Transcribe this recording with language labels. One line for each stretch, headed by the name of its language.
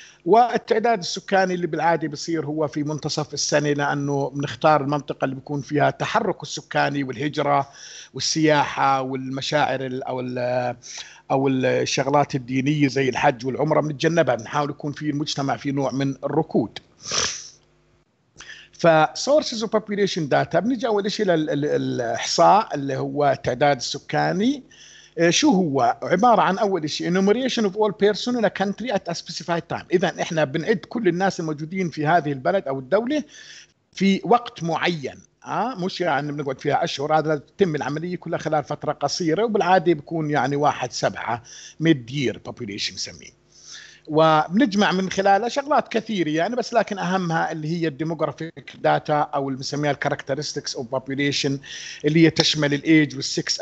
Arabic: والتعداد السكاني اللي بالعادي بصير هو في منتصف السنة، لأنه بنختار المنطقة اللي بيكون فيها تحرك السكاني والهجرة والسياحة والمشاعر أو الشغلات الدينية زي الحج والعمرة، بنتجنبها، بنحاول يكون في المجتمع في نوع من الركود. ف
English: sources of population data،
Arabic: بنجي أول شيء للإحصاء اللي هو التعداد السكاني. شو هو؟ عبارة عن أول شيء
English: enumeration of all persons in a country at a specified time.
Arabic: إذن إحنا بنعد كل الناس الموجودين في هذه البلد أو الدولة في وقت معين، مش يعني بنقعد فيها أشهر، هذا تتم العملية كلها خلال فترة قصيرة، وبالعادة بيكون يعني 1/7
English: mid-year population
Arabic: سميه. وبنجمع من خلالها شغلات كثيرة يعني، بس لكن أهمها اللي هي الديموغرافيك داتا أو اللي بنسميها الكاركترستكس أو بوبوليشن، اللي هي تشمل الإيج والسكس.